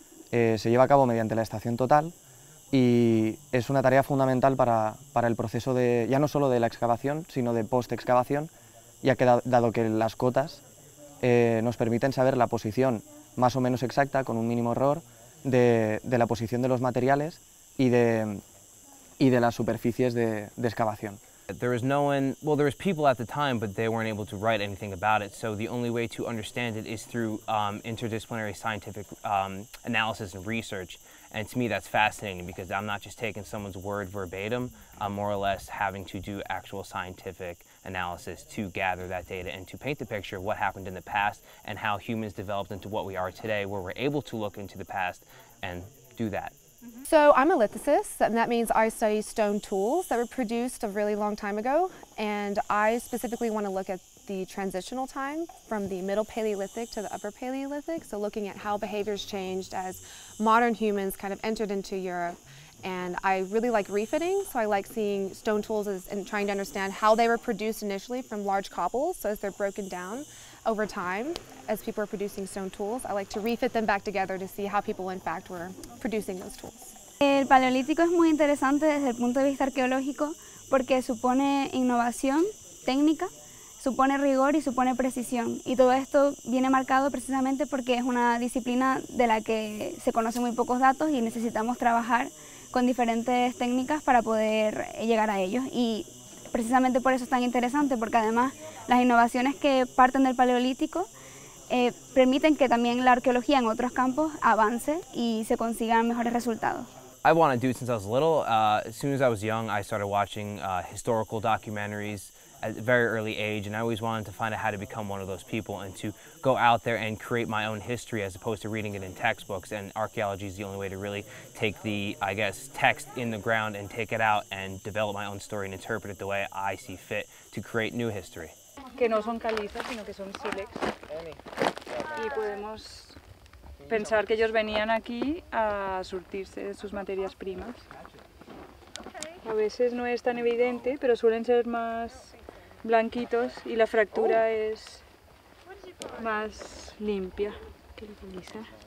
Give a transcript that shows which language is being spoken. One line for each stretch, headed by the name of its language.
Spanish: Se lleva a cabo mediante la estación total y es una tarea fundamental para el proceso de, ya no solo de la excavación, sino de post-excavación, ya que dado que las cotas nos permiten saber la posición más o menos exacta, con un mínimo error, de la posición de los materiales y de las superficies de excavación.
English: There was no one, well, there was people at the time, but they weren't able to write anything about it. So the only way to understand it is through interdisciplinary scientific analysis and research. And to me, that's fascinating because I'm not just taking someone's word verbatim. I'm more or less having to do actual scientific analysis to gather that data and to paint the picture of what happened in the past and how humans developed into what we are today, where we're able to look into the past and do that. So I'm a lithicist, and that means I study stone tools that were produced a really long time ago. And I specifically want to look at the transitional time from the Middle Paleolithic to the Upper Paleolithic. So looking at how behaviors changed as modern humans kind of entered into Europe. And I really like refitting, so I like seeing stone tools and trying to understand how they were produced initially from large cobbles. So as they're broken down over time, as people are producing stone tools, I like to refit them back together to see how people in fact were producing those tools.
Spanish: El Paleolítico es muy interesante desde el punto de vista arqueológico porque supone innovación técnica, supone rigor y supone precisión. Y todo esto viene marcado precisamente porque es una disciplina de la que se conocen muy pocos datos y necesitamos trabajar con diferentes técnicas para poder llegar a ellos. Y precisamente por eso es tan interesante, porque además las innovaciones que parten del Paleolítico permiten que también la arqueología en otros campos avance y se consigan mejores resultados.
English: I've wanted to do it since I was little. As soon as I was young, I started watching historical documentaries at a very early age, and I always wanted to find out how to become one of those people and to go out there and create my own history as opposed to reading it in textbooks. And archaeology is the only way to really take the, I guess, text in the ground and take it out and develop my own story and interpret it the way I see fit to create new history.
Spanish: Que no son calizas, sino que son sílex. Y podemos pensar que ellos venían aquí a surtirse de sus materias primas. A veces no es tan evidente, pero suelen ser más blanquitos y la fractura es más limpia que la lisa.